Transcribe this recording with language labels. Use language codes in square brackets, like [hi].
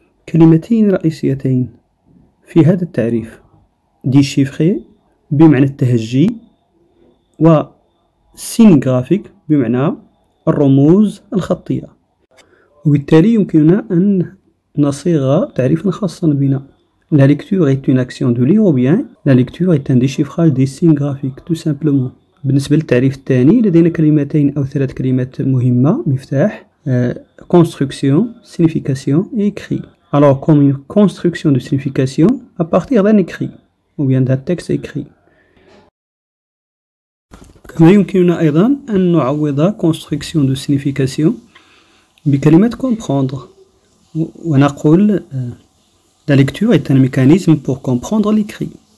[ar] كلمتين رئيسيتين في هذا التعريف: ديشيفري بمعنى التهجي، وسين جرافيك بمعنى الرموز الخطية. وبالتالي يمكننا أن نصيغ تعريفا خاصا بنا. [fr] La lecture est une action de lire ou bien la lecture est un déchiffrage des signes graphiques, tout simplement. [ar] بالنسبة للتعريف الثاني، لدينا كلمتين أو ثلاث كلمات مهمة مفتاح: [fr] construction, signification et écrit. Alors, comme une construction de signification à partir d'un écrit ou bien d'un texte écrit. [ar] كما يمكننا أيضا أن نعوض [fr] construction de signification [ar] بكلمة [fr] comprendre [ar] ونقول [fr] La lecture est un mécanisme pour comprendre l'écrit.